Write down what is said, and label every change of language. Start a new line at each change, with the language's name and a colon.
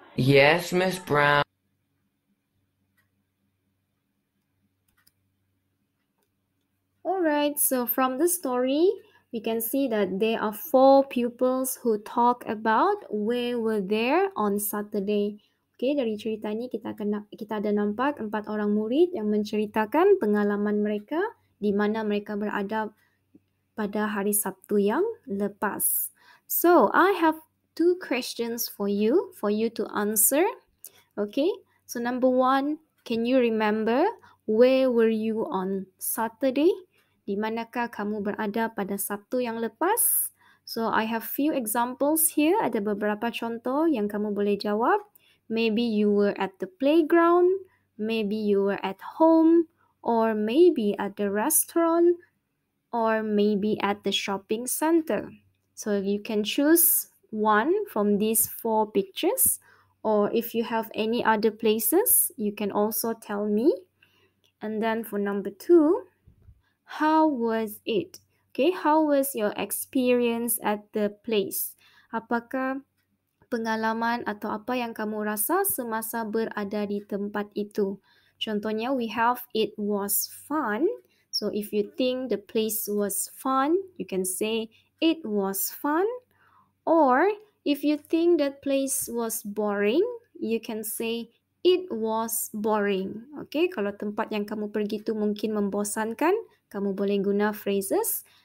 English: Yes, Miss Brown. Alright, so from the story, we can see that there are four pupils who talk about where were there on Saturday.
Malay: Okay, dari cerita ini kita ada nampak empat orang murid yang menceritakan pengalaman mereka di mana mereka berada pada hari Sabtu yang lepas.
English: So, I have two questions for you to answer. Okay, so number one, can you remember where were you on Saturday?
Malay: Di manakah kamu berada pada Sabtu yang lepas?
English: So, I have few examples here.
Malay: Ada beberapa contoh yang kamu boleh jawab.
English: Maybe you were at the playground. Maybe you were at home. or maybe at the restaurant, or maybe at the shopping center. So you can choose one from these four pictures, or if you have any other places, you can also tell me. And then for number two, how was it? Okay, how was your experience at the place?
Malay: Apakah pengalaman atau apa yang kamu rasa semasa berada di tempat itu?
English: Contohnya, we have it was fun. So if you think the place was fun, you can say it was fun. Or if you think that place was boring, you can say it was boring.
Malay: Okay, kalau tempat yang kamu pergi itu mungkin membosankan, kamu boleh guna phrases.